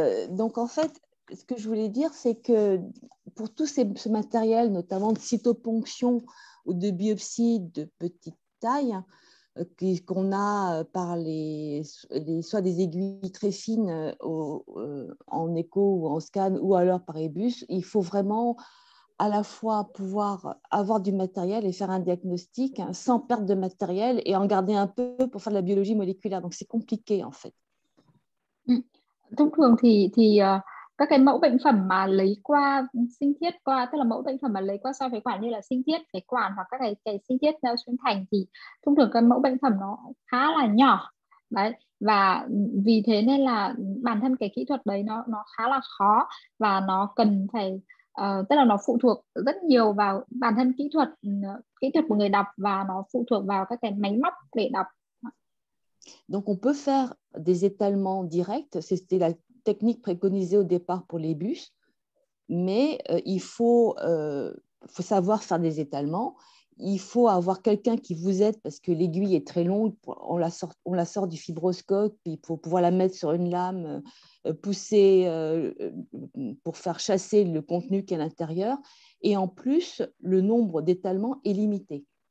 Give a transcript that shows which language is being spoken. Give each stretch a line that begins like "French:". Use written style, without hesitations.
French: Donc en fait, ce que je voulais dire, c'est que pour tout ce matériel, notamment de cytoponction ou de biopsie de petite taille, qu'on a par soit des aiguilles très fines en écho ou en scan, ou alors par ébus, il faut vraiment à la fois pouvoir avoir du matériel et faire un diagnostic hein, sans perte de matériel et en garder un peu pour faire de la biologie moléculaire. Donc, c'est compliqué, en fait.
Vietnamese: Thông thường thì các cái mẫu bệnh phẩm mà lấy qua sinh thiết, tức là mẫu bệnh phẩm mà lấy qua soi phế quản như là sinh thiết phế quản hoặc các cái sinh thiết neo xuyên thành, thì thông thường cái mẫu bệnh phẩm nó khá là nhỏ. Đấy, và vì thế nên là bản thân cái kỹ thuật đấy nó khá là khó và nó cần phải tức là nó phụ thuộc rất nhiều vào bản thân kỹ thuật của người đọc và nó phụ thuộc vào các cái máy móc để đọc.
French: Donc on peut faire des étalements directs, c'était la technique préconisée au départ pour les bus, mais il faut savoir faire des étalements, il faut avoir quelqu'un qui vous aide parce que l'aiguille est très longue, on la sort du fibroscope, puis pour pouvoir la mettre sur une lame, pousser pour faire chasser le contenu qui est à l'intérieur, et en plus le nombre d'étalements est limité.